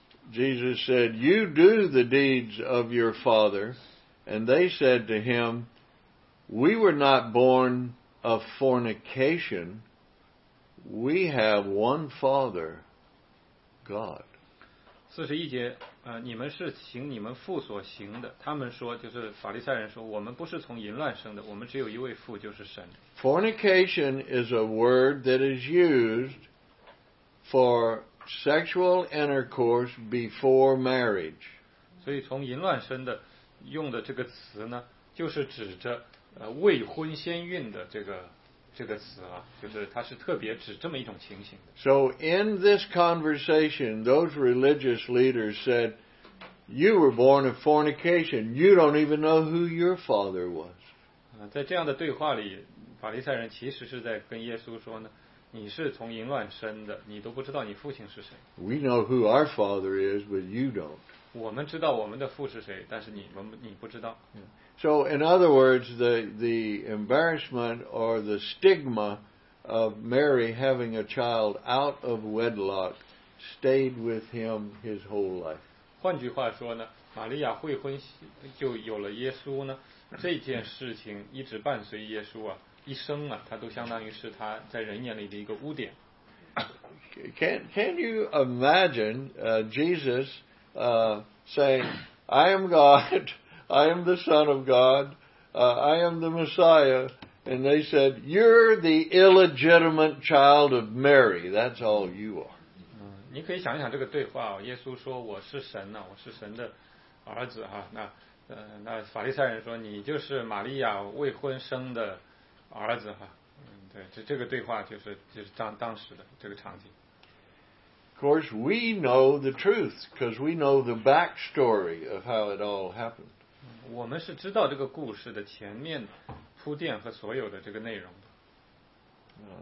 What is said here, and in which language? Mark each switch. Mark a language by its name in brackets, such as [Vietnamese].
[English] Jesus said, "You do the deeds of your father," and they said to him, "We were not born of fornication." We have one Father, God. [Chinese] 四十一节，你们是行你们父所行的。他们说，就是法利赛人说，我们不是从淫乱生的，我们只有一位父，就是神。 [English] Fornication is a word that is used for sexual intercourse before marriage. [Chinese] 所以从淫乱生的用的这个词呢，就是指着未婚先孕的这个词啊，就是它是特别指这么一种情形的。 [English] So in this conversation, those religious leaders said, "You were born of fornication. You don't even know who your father was." [Chinese] 在这样的对话里，法利赛人其实是在跟耶稣说呢，你是从淫乱生的，你都不知道你父亲是谁。 [English] We know who our father is, but you don't. [Chinese] 我们知道我们的父是谁，但是你不知道。 [English] So, in other words, the embarrassment or the stigma of Mary having a child out of wedlock stayed with him his whole life. [Chinese] 换句话说呢，玛利亚未婚就有了耶稣呢，这件事情一直伴随耶稣啊，一生啊，他都相当于是他在人眼里的一个污点。 [English] Can you imagine Jesus saying, "I am God"? I am the Son of God. I am the Messiah. And they said, "You're the illegitimate child of Mary. That's all you are." [Chinese] 你可以想一想这个对话哦。耶稣说：“我是神呢，我是神的儿子哈。” 那法利赛人说：“你就是玛利亚未婚生的儿子哈。” 对，这个对话就是当时的这个场景。 [English] Of course, we know the truth because we know the backstory of how it all happened. [Chinese] 我们是知道这个故事的前面铺垫和所有的这个内容的。